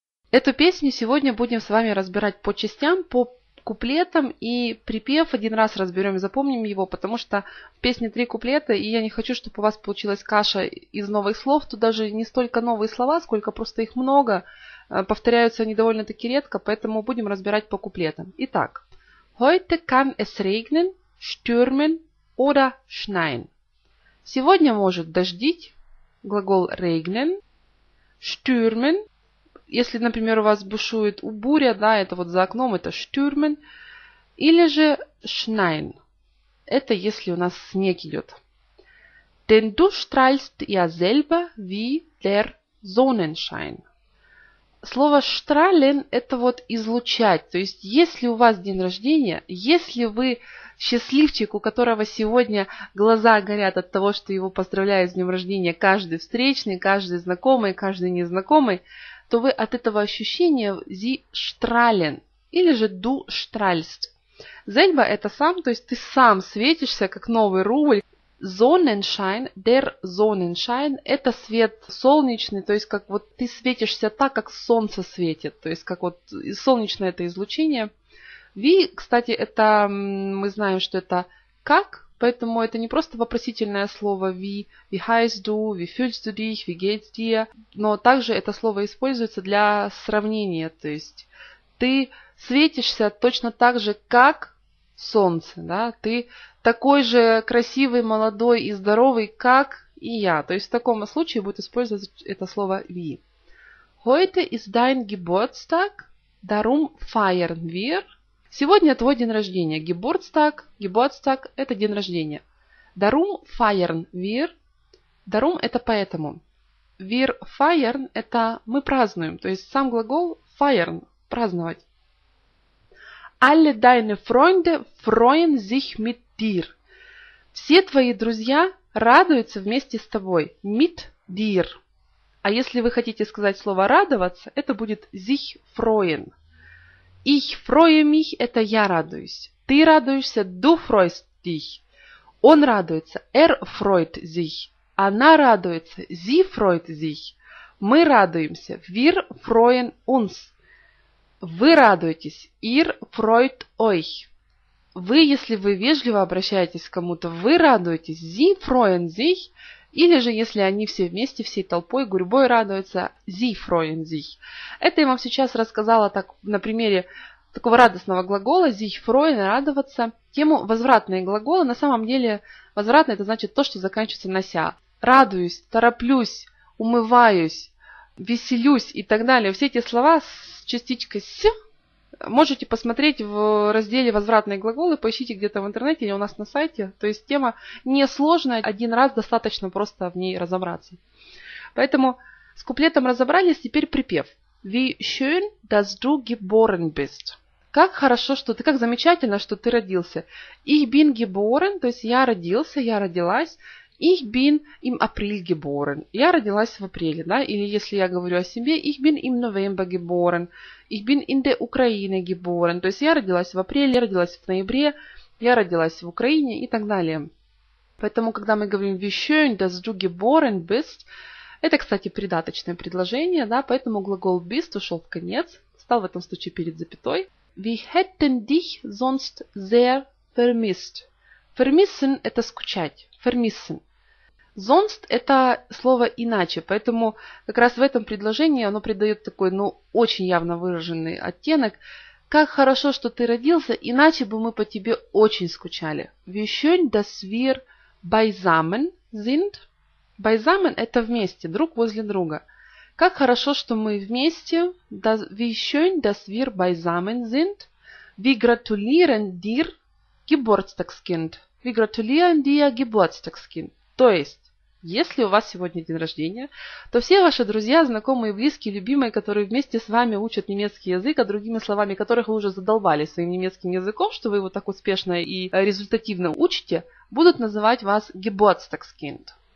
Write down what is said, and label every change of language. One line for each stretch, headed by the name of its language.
Russian: Эту песню сегодня будем с вами разбирать по частям, по куплетам и припев. Один раз разберем и запомним его, потому что в песне три куплета, и я не хочу, чтобы у вас получилась каша из новых слов. Тут даже не столько новые слова, сколько просто их много. Повторяются они довольно-таки редко, поэтому будем разбирать по куплетам. Итак.
German: Heute kann es regnen, stürmen oder schneien.
Russian: Сегодня может дождить. Глагол regnen.
German: Stürmen.
Russian: Если, например, у вас бушует буря, да, это вот за окном, это stürmen. Или же schneien. Это если у нас снег идет.
German: Denn du strahlst ja selber wie der Sonnenschein.
Russian: Слово strahlen – это вот излучать. То есть, если у вас день рождения, если вы счастливчик, у которого сегодня глаза горят от того, что его поздравляют с днем рождения каждый встречный, каждый знакомый, каждый незнакомый, то вы от этого ощущения
German: «зи штрален»
Russian: или же
German: «ду штральст».
Russian: «Зельба» – это сам, то есть ты сам светишься, как новый рубль. «Зоненшайн», «дер зоненшайн» – это свет солнечный, то есть как вот ты светишься так, как солнце светит, то есть как вот солнечное это излучение. «Ви», кстати, это мы знаем, что это «как», поэтому это не просто вопросительное слово wie,
German: wie heißt du, wie fühlst du dich, wie geht's dir.
Russian: Но также это слово используется для сравнения. То есть ты светишься точно так же, как солнце. Да? Ты такой же красивый, молодой и здоровый, как и я. То есть в таком случае будет использоваться это слово we.
German: Heute ist dein Geburtstag, darum feiern wir.
Russian: Сегодня твой день рождения. Geburtstag, Geburtstag – это день рождения.
German: Darum feiern wir.
Russian: Darum – это поэтому.
German: Wir feiern
Russian: – это мы празднуем. То есть сам глагол feiern – праздновать.
German: Alle deine Freunde freuen sich mit dir.
Russian: Все твои друзья радуются вместе с тобой.
German: Mit dir.
Russian: А если вы хотите сказать слово «радоваться», это будет
German: «sich freuen». «Ich freue mich»
Russian: – это «я радуюсь». «Ты радуешься»
German: – «du freust dich».
Russian: «Он радуется»
German: – «er freut sich».
Russian: «Она радуется»
German: – «sie freut sich».
Russian: «Мы радуемся»
German: – «wir freuen uns».
Russian: «Вы радуетесь»
German: – «ihr freut euch».
Russian: «Вы», если вы вежливо обращаетесь к кому-то, «вы радуетесь» –
German: «sie freuen sich».
Russian: Или же, если они все вместе, всей толпой, гурьбой радуются,
German: «Sie freuen sich».
Russian: Это я вам сейчас рассказала так, на примере такого радостного глагола
German: «Sie freuen»
Russian: – «радоваться». Тему «возвратные глаголы». На самом деле, «возвратный» – это значит то, что заканчивается на «ся». «Радуюсь», «тороплюсь», «умываюсь», «веселюсь» и так далее. Все эти слова с частичкой «с» можете посмотреть в разделе «Возвратные глаголы», поищите где-то в интернете или у нас на сайте. То есть тема несложная, один раз достаточно просто в ней разобраться. Поэтому с куплетом разобрались, теперь припев.
German: Wie schön, dass du geboren bist.
Russian: Как хорошо, что ты, как замечательно, что ты родился.
German: Ich bin geboren,
Russian: то есть я родился, я родилась.
German: Ich bin im April geboren.
Russian: Я родилась в апреле, да? Или если я говорю о себе,
German: ich bin im November geboren. Ich bin in der Ukraine geboren.
Russian: То есть я родилась в апреле, я родилась в ноябре, я родилась в Украине и так далее. Поэтому, когда мы говорим
German: wie schön, dass du geboren bist,
Russian: это, кстати, придаточное предложение, да? Поэтому глагол bist ушел в конец, стал в этом случае перед запятой.
German: Wir hätten dich sonst sehr vermisst.
Russian: Vermissen – это скучать.
German: Vermissen.
Russian: Sonst – это слово иначе, поэтому как раз в этом предложении оно придает такой, ну, очень явно выраженный оттенок. Как хорошо, что ты родился, иначе бы мы по тебе очень скучали.
German: Wie schön, dass wir beisammen sind.
Russian: Beisammen – это вместе, друг возле друга. Как хорошо, что мы вместе.
German: Wie schön, dass wir beisammen sind. Wir gratulieren dir, Geburtstagskind. Wir gratulieren dir Geburtstagskind.
Russian: То есть, если у вас сегодня день рождения, то все ваши друзья, знакомые, близкие, любимые, которые вместе с вами учат немецкий язык, а другими словами, которых вы уже задолбали своим немецким языком, что вы его так успешно и результативно учите, будут называть вас Geburtstagskind.